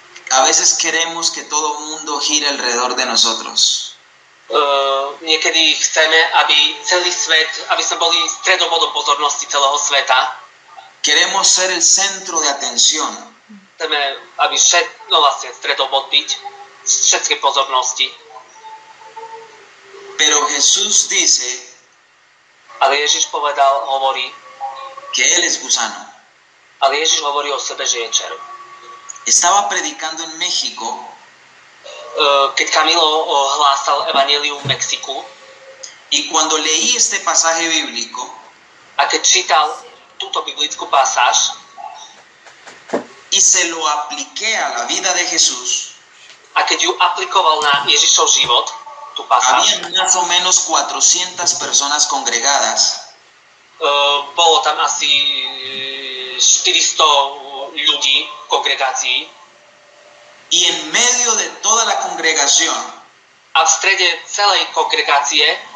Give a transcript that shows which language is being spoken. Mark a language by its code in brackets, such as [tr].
[es] A veces queremos que todo mundo gire alrededor de nosotros. [sk] Niekedy chceme, aby celý svet, aby sme boli stredobodom pozornosti celého sveta. [es] Queremos ser el centro de atención. [sk] Chceme, aby všetko vlastne stredobod byť všetkej pozornosti. [es] Pero Jesús dice, [sk] ale Ježiš povedal, hovorí, [es] que él es gusano. [sk] Ale Ježiš hovorí o sebe, že je červ. [es] Estaba predicando en México. [sk] Keď Camilo hlásal evanjelium v Mexiku. [es] Y cuando leí este pasaje bíblico, [sk] a keď čítal túto biblickú pasáž, [es] y se lo apliqué a la vida de Jesús, [sk] a keď ju aplikoval na Ježišov život, [es] tu pasaje. Había más o menos 400 personas congregadas. [sk] Bolo tam asi 400 ľudí v kongregácii. [es] Y en medio de toda la congregación. [sk] A v strede celej kongregácie